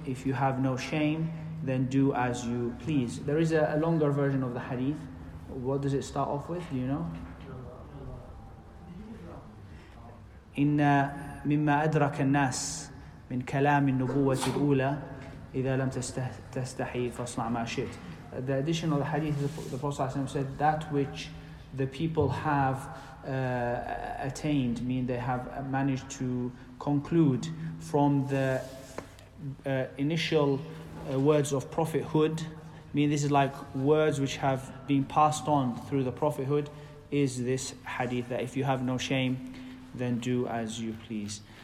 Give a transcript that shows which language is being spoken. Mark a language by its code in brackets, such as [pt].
[en] If you have no shame, then do as you please. There is a longer version of the hadith. What does it start off with? Do you know? [ar] إن مما أدرك الناس من كلام النبوة الأولى إذا لم تستحي فاصنع ما شئت. [en] The addition of the hadith, the Prophet ﷺ said, that which the people have attained, mean they have managed to conclude from the initial words of prophethood, mean this is like words which have been passed on through the prophethood, is this hadith that if you have no shame, then do as you please.